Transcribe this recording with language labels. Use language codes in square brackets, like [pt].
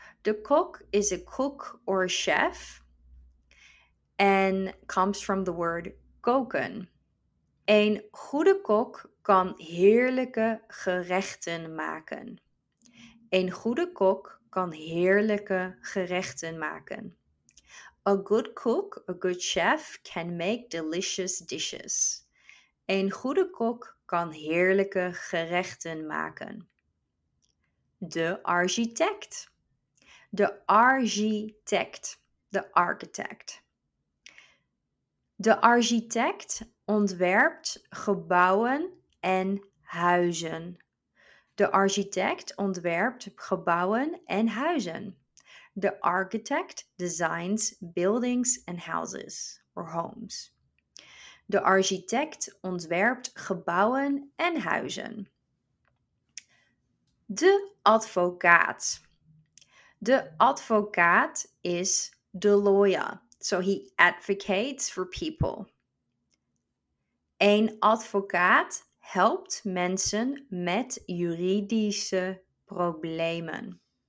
[en] The kok is a cook or a chef and comes from the word koken. [nl] Een goede kok kan heerlijke gerechten maken. Een goede kok kan heerlijke gerechten maken. [en] A good cook, a good chef, can make delicious dishes. [nl] Een goede kok kan heerlijke gerechten maken. De architect. De architect. De architect. De architect ontwerpt gebouwen en huizen. De architect ontwerpt gebouwen en huizen. [en] The architect designs buildings and houses or homes. [nl] De architect ontwerpt gebouwen en huizen. De advocaat. De advocaat [en] is the lawyer. So he advocates for people. [nl] Een advocaat helpt mensen met juridische problemen.